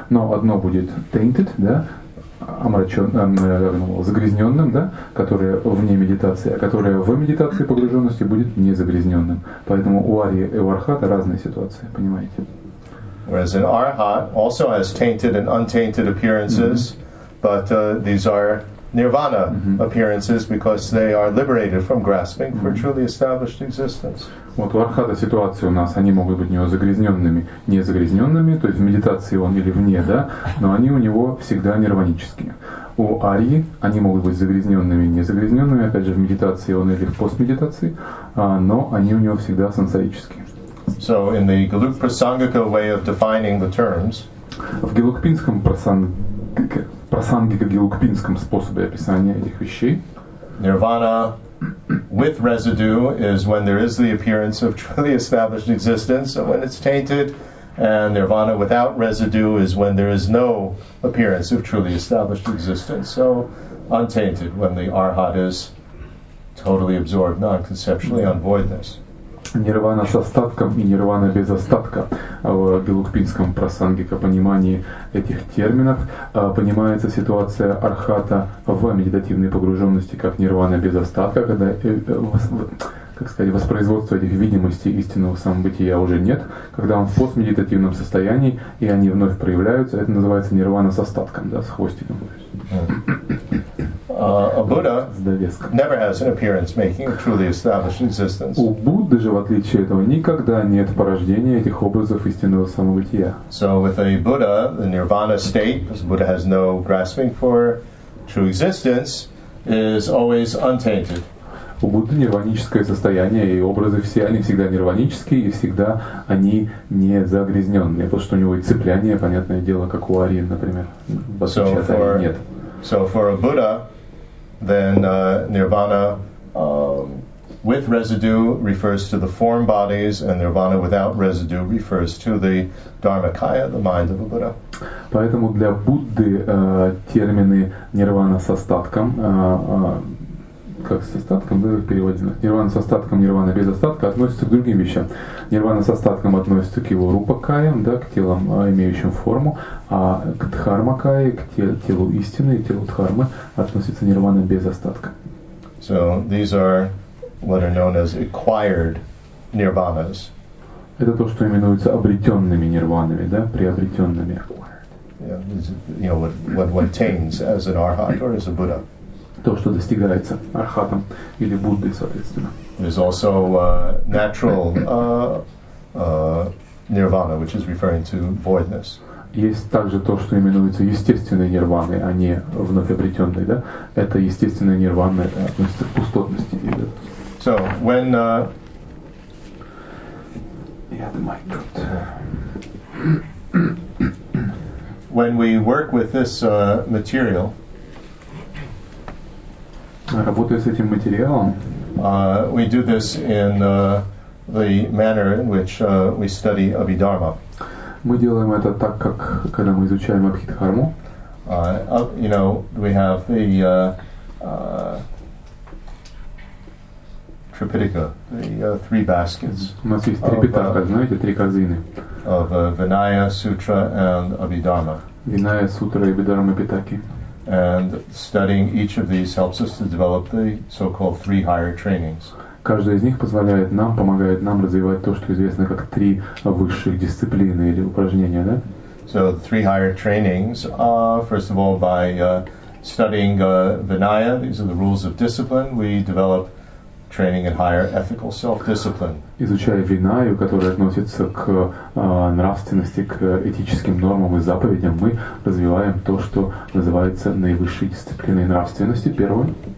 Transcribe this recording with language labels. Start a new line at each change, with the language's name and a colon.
Russian: Но одно будет tainted, да, загрязненным, да, которое вне медитации, а которое в медитации погруженности будет незагрязненным. Поэтому у арии и у архата разные ситуации, понимаете?
English: Whereas an arhat also has tainted and untainted appearances, mm-hmm. but these are nirvana appearances because they are liberated from grasping for truly established existence.
Russian: Вот у архата ситуации у нас, они могут быть у него загрязненными, незагрязненными, то есть в медитации он или вне, да, но они у него всегда нирванические. У арии они могут быть загрязненными, незагрязненными, опять же в медитации он или в постмедитации, но они у него всегда сансарические.
English: So in the Geluk Prasangika way of defining the terms,
Russian: в гелукпинском прасангика-гелукпинском способе описания этих вещей,
English: nirvana with residue is when there is the appearance of truly established existence, and when it's tainted, and nirvana without residue is when there is no appearance of truly established existence, so untainted, when the arhat is totally absorbed, non-conceptually, on voidness.
Russian: Нирвана с остатком и нирвана без остатка в гелукпинском прасангика понимании этих терминов понимается ситуация архата в медитативной погруженности как нирвана без остатка, когда, как сказать, воспроизводство этих видимостей истинного самобытия уже нет, когда он в постмедитативном состоянии и они вновь проявляются, это называется нирвана с остатком, да, с хвостиком.
English: A Buddha never has an appearance making a truly established existence.
Russian: У Будды же, в отличие от этого, никогда нет порождения этих образов истинного самобытия.
English: So with a Buddha, the nirvana state, because Buddha has no grasping for true existence, is always untainted.
Russian: У Будды нирваническое состояние, и образы все, они всегда нирванические, и всегда они не загрязненные. Потому что у него и цепляние, понятное дело, как у арии, например.
English: So for,
Russian: нет.
English: So for a Buddha, then nirvana with residue refers to the form bodies, and nirvana without residue refers to the dharmakaya, the mind of a Buddha.
Russian: Поэтому для Будды термины нирвана с остатком, как с остатком, да, переводено, нирвана с остатком, нирвана без остатка относятся к другим вещам. Нирвана с остатком относится к его рупакаям, да, к телам, имеющим форму, а к дхармакае, к телу истины, к телу дхармы относится нирвана без остатка.
English: So these are what are known as acquired nirvanas.
Russian: Это то, что именуется обретенными нирванами, да, приобретенными.
English: Yeah, you know, what attains as an arhat or as a Buddha.
Russian: То, что достигается архатом или Буддой, соответственно.
English: There's also natural nirvana, which is referring to voidness.
Russian: Есть также то, что именуется естественной нирваной, а не вновь обретенной, да? Это естественная нирвана, это относится к пустотности. Да?
English: So, when... Yeah, the mic dropped. When we work with this material...
Russian: Работая с этим материалом,
English: We do this in the manner in which we study Abhidharma.
Russian: Мы делаем это так, как когда мы изучаем Абхидхарму.
English: You know, we have the Tripitaka, the three baskets.
Russian: У нас есть Трипитака, знаете, три корзины.
English: Of Vinaya, Sutra, and Abhidharma.
Russian: Vinaya, Sutra, Abhidharma, Pitaki.
English: And studying each of these helps us to develop the so-called three higher trainings.
Russian: Каждая из них позволяет нам, помогает нам развивать то, что известно как три высших дисциплины или упражнения, да?
English: So the three higher trainings, first of all, by studying Vinaya, these are the rules of discipline, we develop training in higher ethical self-discipline.
Russian: Изучая Винаю, которая относится к нравственности, к этическим нормам и заповедям, мы развиваем то, что называется наивысшей дисциплиной нравственности, первой.